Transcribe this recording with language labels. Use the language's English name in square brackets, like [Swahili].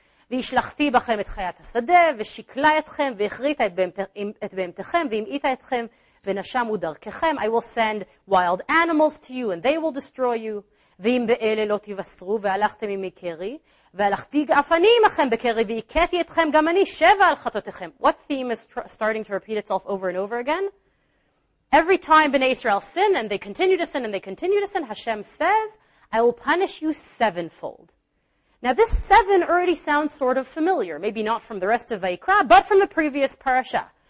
[Hebrew] וישלחתי בכם את חיית השדה, ושיקלה אתכם, והחריטה את בהמתכם, והמאיתה אתכם, ונשם ודרככם. [English] I will send wild animals to you, and they will destroy you. [Hebrew] ואם באלה לא תיווסרו, והלכתם עם מקרי, והלכתי אף אני עמכם בקרי, והיכיתי אתכם גם אני שבע על חטאתכם. [English] What theme is starting to repeat itself over and over again? Every time Bnei Israel sin, and they continue to sin, and they continue to sin, Hashem says, I will punish you sevenfold. Now this seven already sounds sort of familiar, maybe not from the rest of Vayikra, but from the previous parasha.